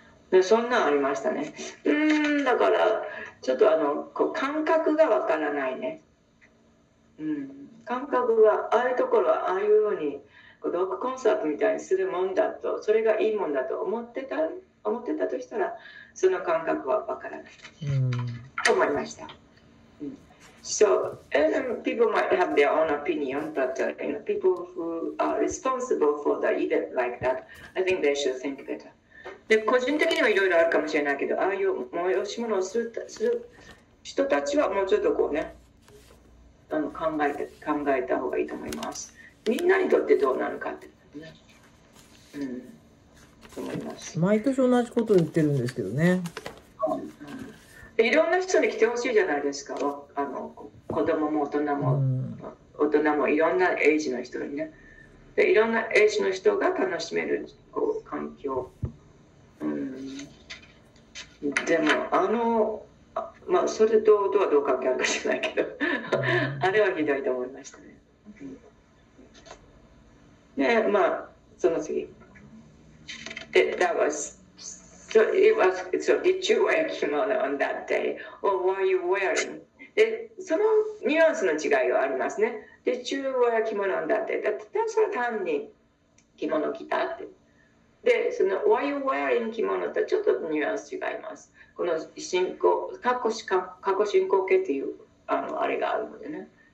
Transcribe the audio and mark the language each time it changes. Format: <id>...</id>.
<ja>で、そんなありましたね。だから、ちょっとあの、こう感覚がわからないね。うん、感覚は、ああいうところはああいうように、こうロックコンサートみたいにするもんだと、それがいいもんだと思ってたとしたら、その感覚はわからない、うん。と思いました。</ja> <en>So, people might have their own opinion, but you know, people who are responsible for the event like that, I think they should think better.</en> <ja>で、個人的にはいろいろあるかもしれないけど、ああいう催し物をする人たちはもうちょっとこうね、あの考えた方がいいと思います。みんなにとってどうなるかって、ね、うん、と思います。毎年同じことを言ってるんですけどね。うんいろんな人に来てほしいじゃないですか。あの子供も大人も、うん、大人もいろんなエイジの人にね。でいろんなエイジの人が楽しめるこう環境、うん。でも、あの、まあ、それと音はどう関係あるか知らないけど、あれはひどいと思いましたね。で、まあ、その次。で、</ja> <en>That was... So it was. So did you wear kimono on that day, or were you wearing?</en> <ja>で、そのニュアンスの違いはありますね。</ja> <en>Did you wear kimono on that day?</en> <ja>だそれは単に着物着たって。で、その</ja> <en>were you wearing kimono</en> <ja>とちょっとニュアンス違います。この進行、過去進行形っていうあのあれがあるのでね。</ja>